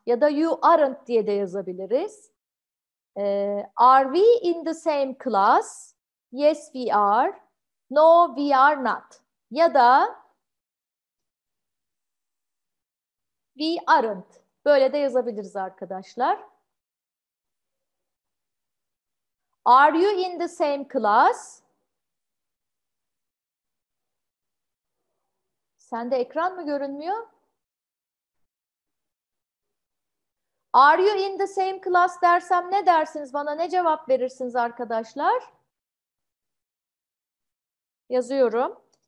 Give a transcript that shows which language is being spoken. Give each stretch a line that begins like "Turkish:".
Turkish: Ya da
English: you aren't
Turkish: diye de yazabiliriz.
English: Are we in the same class? Yes, we are. No, we are not.
Turkish: Ya da
English: we aren't.
Turkish: Böyle de yazabiliriz arkadaşlar.
English: Are you in the same class?
Turkish: Sende ekran mı görünmüyor?
English: Are you in the same class
Turkish: dersem ne dersiniz bana? Ne cevap verirsiniz arkadaşlar? Yazıyorum.